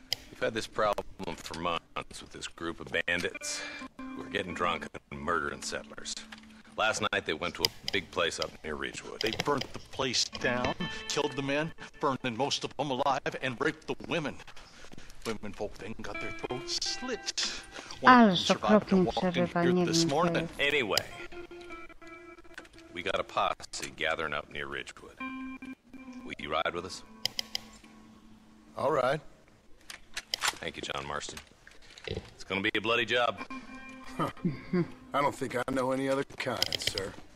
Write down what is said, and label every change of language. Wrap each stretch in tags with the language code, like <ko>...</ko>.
<en>We've had this problem for months with this group of bandits. We're getting drunk and murdering settlers. Last night, they went to a big place up near Ridgewood. They burnt the place down, killed the men, burning most of them alive, and raped the women. Women folk then got their throats slit.</en> <pl>Ależ okropnie przerywa, nie wiem, co jest.</pl> <en>Anyway, we got a posse gathering up near Ridgewood. Will you ride with us? All right. Thank you, John Marston. It's gonna be a bloody job. Huh. I don't think I know any other kind, sir.</en>